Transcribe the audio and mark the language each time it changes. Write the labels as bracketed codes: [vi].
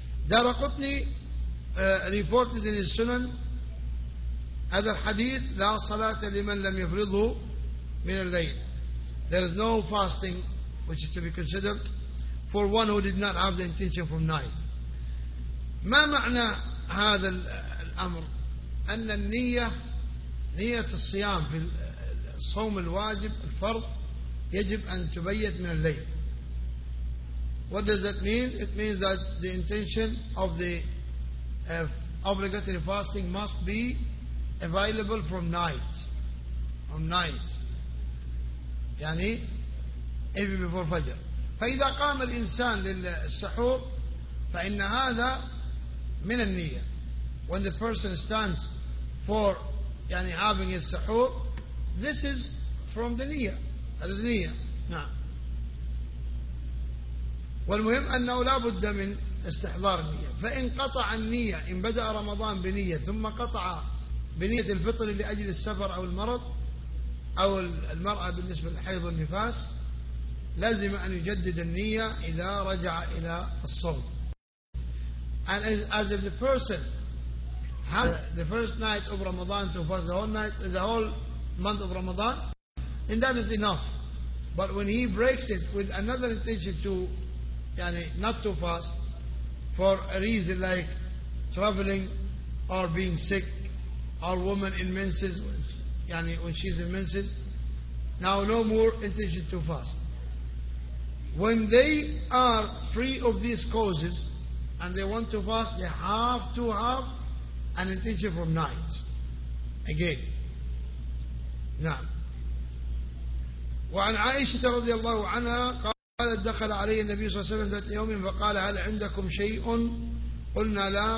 [en] Daraqutni reported in his Sunan [ar] هذا الحديث لا صلاة لمن لم يفرضه من الليل. [en] There is no fasting which is to be considered for one who did not have the intention from night. [ar] ما معنى هذا الأمر؟ أن النية, نية الصيام في الصوم الواجب الفرض, يجب أن تبيت من الليل. [en] What does that mean? It means that the intention of the obligatory fasting must be available from night. From night. يعني even before Fajr. [ar] فإذا قام الإنسان للسحور فإن هذا من النية. [en] When the person stands for يعني having his sahur, this is from the niyyah. That is niyyah. نعم. [ar] والمهم أنه لا بد من استحضار النية. فإن قطع النية, إن بدأ رمضان بنية ثم قطع بنية الفطر لأجل السفر أو المرض أو المرأة بالنسبة للحيض والنفاس, لازم أن يجدد النية إذا رجع إلى الصوم. [en] And as if the person had the first night of Ramadan to fast the whole night, the whole month of Ramadan, then that is enough. But when he breaks it with another intention to not to fast for a reason like traveling or being sick or woman in menses, when she's in menses, now no more intention to fast. When they are free of these causes and they want to fast, they have to have an intention from night. Again. نعم. [ar] وعن عائشة رضي الله عنها قالت دخل علي النبي صلى الله عليه وسلم ذات يوم فقال هل عندكم شيء؟ قلنا لا.